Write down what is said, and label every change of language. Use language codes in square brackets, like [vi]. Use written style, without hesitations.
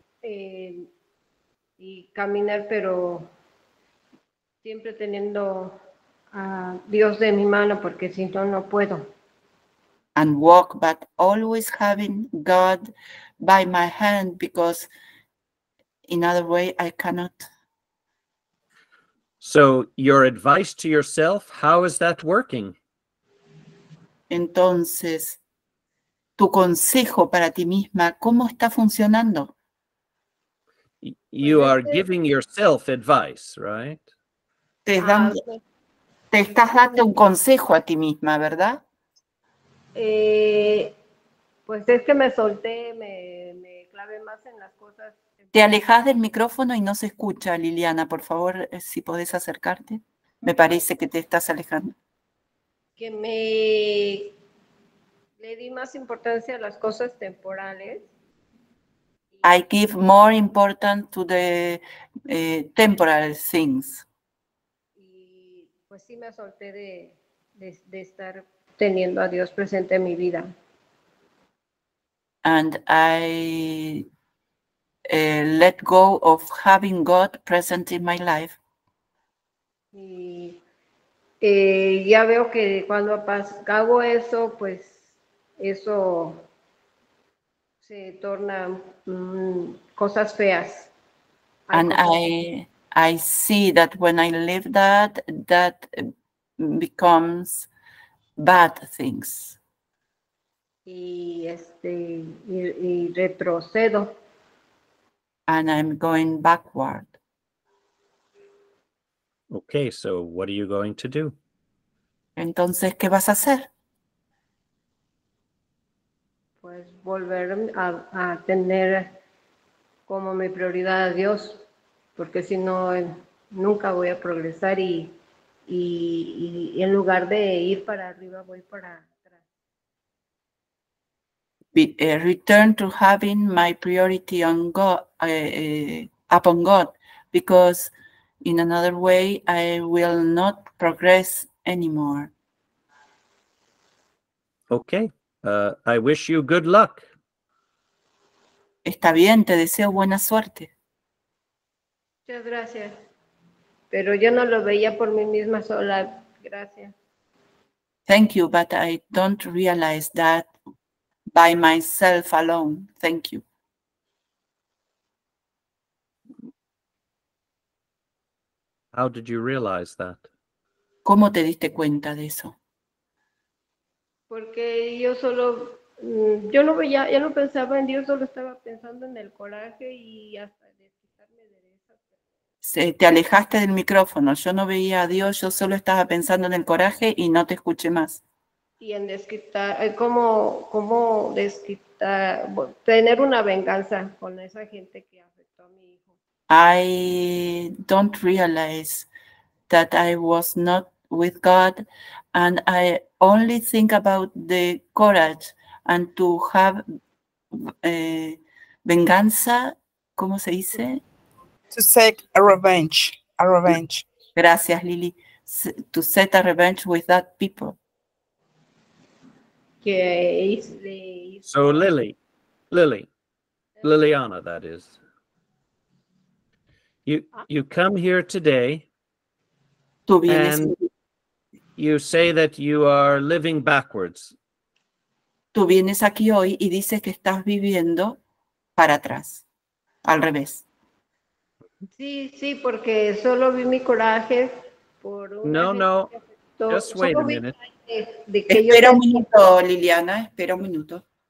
[es] Y caminar, pero siempre teniendo a Dios de mi mano, porque si no, no puedo. [en] And walk, but always having God by my hand, because in other way, I cannot. So your advice to yourself, how is that working? [es] Entonces, tu consejo para ti misma, ¿cómo está funcionando? [en] You are giving yourself advice, right? [es] Te estás dando un consejo a ti misma, ¿verdad? Pues es que me solté, me clavé más en las cosas. Te alejas del micrófono y no se escucha, Liliana. Por favor, si podés acercarte. Me parece que te estás alejando. Que me... Le di más importancia a las cosas temporales. [en] I give more importance to the temporal things. [es] Y pues sí me solté de estar teniendo a Dios presente en mi vida. [en] And I let go of having God present in my life. [es] Y ya veo que cuando hago eso, pues eso se torna cosas feas. [en] And I see that when I leave that becomes bad things. [es] Y retrocedo. [en] And I'm going backward. Okay, so what are you going to do? [es] Entonces, ¿qué vas a hacer? Pues volver a tener como mi prioridad a Dios, porque si no, nunca voy a progresar y en lugar de ir para arriba, voy para atrás. [en] Return to having my priority on God, upon God, because in another way, I will not progress anymore. Okay. I wish you good luck. [es] Está bien, te deseo buena suerte. Muchas gracias. Pero yo no lo veía por mí misma sola. Gracias. [en] Thank you, but I don't realize that by myself alone. Thank you. How did you realize that? [es] ¿Cómo te diste cuenta de eso? Porque yo solo, yo no veía, ya no pensaba en Dios, solo estaba pensando en el coraje y hasta de quitarme derecha. Sí, te alejaste del micrófono, yo no veía a Dios, yo solo estaba pensando en el coraje y no te escuché más. Y en desquitar, ¿cómo desquitar, tener una venganza con esa gente que afectó a mi hijo? [en] I don't realize that I was not with God, and I only think about the courage and to have [es] venganza, ¿cómo se dice? [en] To seek a revenge, a revenge. [es] Gracias, [en] Lily. To set a revenge with that people. So Liliana, that is. You come here today, [es] tú vienes [en] and you say that you are living backwards. [es] Tú vienes aquí hoy y dices que estás viviendo para atrás, al revés. Sí, sí, porque solo vi mi coraje por un. [en] No, no. Just wait [es] solo [en] a minute. [es] Espera un minuto, Liliana. Espera un minuto.